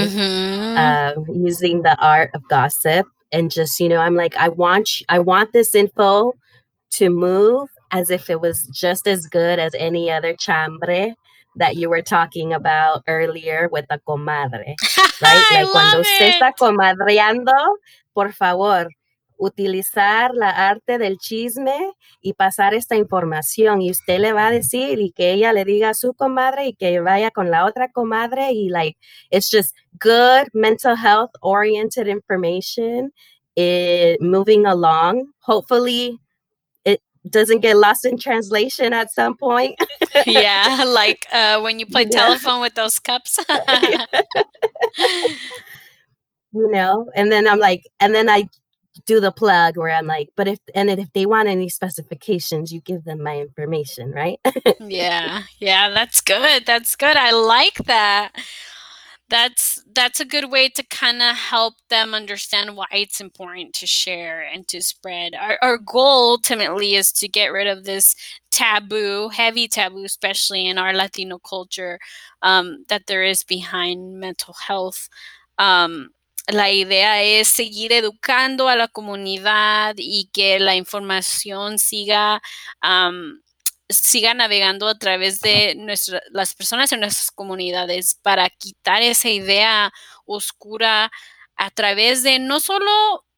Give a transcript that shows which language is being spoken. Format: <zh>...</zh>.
<en>Mm-hmm. Using the art of gossip, and just, you know, I'm like, I want this info to move as if it was just as good as any other chambre that you were talking about earlier with a comadre, right? Like, I love</en> <es>cuando usted</es> <en>it.</en> <es>Está comadreando, por favor, utilizar la arte del chisme y pasar esta información. Y usted le va a decir y que ella le diga a su comadre y que vaya con la otra comadre.</es> <en>Y like, it's just good mental health oriented information moving along, hopefully. Doesn't get lost in translation at some point. Yeah, like when you play telephone with those cups. You know, and then I'm like, and then I do the plug where I'm like, but if they want any specifications, you give them my information, right? yeah, that's good. I like that. That's a good way to kind of help them understand why it's important to share and to spread. Our goal ultimately is to get rid of this taboo, heavy taboo, especially in our Latino culture, that there is behind mental health.</en> <es>La idea es seguir educando a la comunidad y que la información siga siga navegando a través de las personas en nuestras comunidades para quitar esa idea oscura a través de no solo</es>